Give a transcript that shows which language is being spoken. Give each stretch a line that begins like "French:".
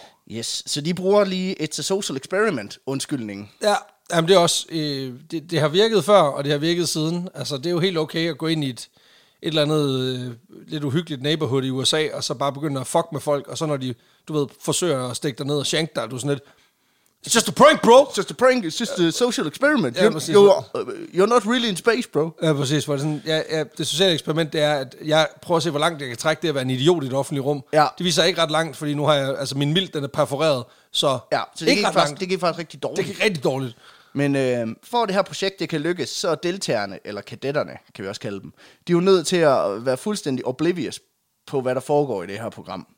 Danish: Yes, så de bruger lige et
English: social experiment
Danish: undskyldning. Ja, jamen det er også det har virket før og det har virket siden. Altså det er jo helt okay at gå ind i et eller andet lidt uhyggeligt neighborhood i USA og så bare begynde at fuck med folk og så når de du ved forsøger at stikke dig ned og shank dig, du er sådan lidt.
English: It's just a prank, bro. It's just a prank. It's just a social experiment. You're not really in space, bro.
Danish: Ja, præcis. For det, sådan, det sociale eksperiment, det er, at jeg prøver at se, hvor langt jeg kan trække det at være en idiot i et offentligt rum. Ja. Det viser ikke ret langt, fordi nu har jeg, altså min mild, den er perforeret. Så, ja, så det, ikke gik ret faktisk, langt. Det gik faktisk rigtig dårligt. Det gik rigtig dårligt. Men for at det her projekt, det kan lykkes, så er deltagerne, eller kadetterne, kan vi også kalde dem, de er jo nødt til at være fuldstændig oblivious på, hvad der foregår i det her program.